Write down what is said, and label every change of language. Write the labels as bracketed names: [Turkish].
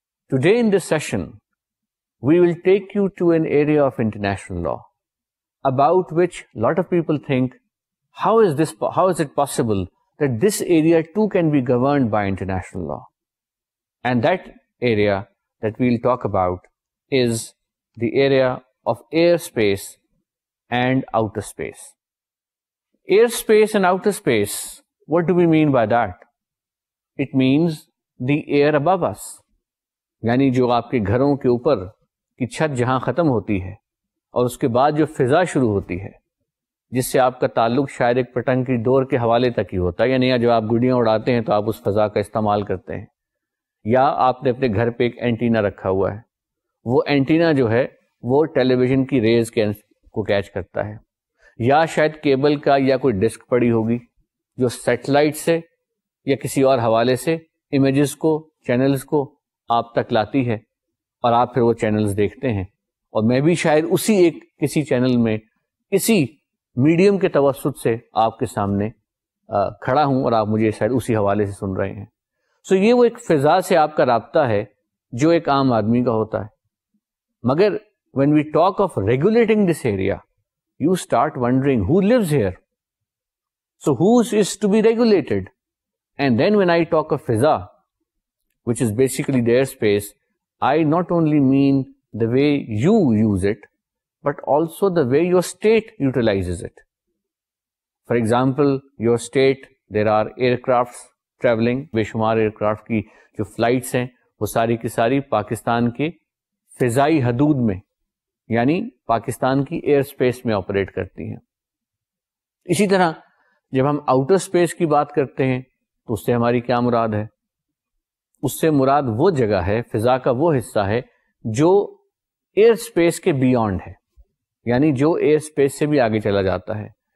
[English] Today in this session, we will take you to an area of international law about which a lot of people think, how is it possible that this area too can be governed by international law? And that area that we will talk about is the area of airspace and outer space. Airspace and outer space, what do we mean by that? It means the air above us. [Urdu] یعنی جو آپ کے گھروں کے اوپر کی چھت جہاں ختم ہوتی ہے اور اس کے بعد جو فضا شروع ہوتی ہے جس سے آپ کا تعلق شاید ایک پٹنگ کی دور کے حوالے تک ہی ہوتا ہے, یعنی یا جب آپ گڑیاں اڑاتے ہیں تو آپ اس فضا کا استعمال کرتے ہیں, یا آپ نے اپنے گھر پہ ایک اینٹینا رکھا ہوا ہے, وہ اینٹینا جو ہے وہ ٹیلی ویژن کی ریز کو کیچ کرتا ہے, یا شاید کیبل کا یا کوئی ڈسک پڑی ہوگی جو سیٹلائٹ سے یا کسی اور حوالے سے امیجز کو, چینلز کو آپ تک لاتی ہے اور آپ پھر وہ چینلز دیکھتے ہیں, اور میں بھی شاید اسی ایک کسی چینل میں کسی میڈیم کے توسط سے آپ کے سامنے کھڑا ہوں اور آپ مجھے شاید اسی حوالے سے سن رہے ہیں. سو یہ وہ ایک فضا سے آپ کا رابطہ ہے جو ایک عام آدمی کا ہوتا ہے. [English] مگر when we talk of regulating this area, you start wondering who lives here, so whose is to be regulated. And then when I talk of فضا, which is basically the airspace, I not only mean the way you use it, but also the way your state utilizes it. For example, your state, there are aircrafts traveling, [Urdu] بےشمار aircraft کی جو flights ہیں وہ ساری کی ساری پاکستان کے فضائی حدود میں, یعنی پاکستان کی ایئر اسپیس میں آپریٹ کرتی ہیں. اسی طرح جب ہم آؤٹر اسپیس کی بات کرتے ہیں تو اس سے ہماری کیا مراد ہے؟ اس سے مراد وہ جگہ ہے, فضا کا وہ حصہ ہے جو ایئر اسپیس کے بیونڈ ہے, یعنی جو ایئر اسپیس سے بھی آگے چلا جاتا ہے.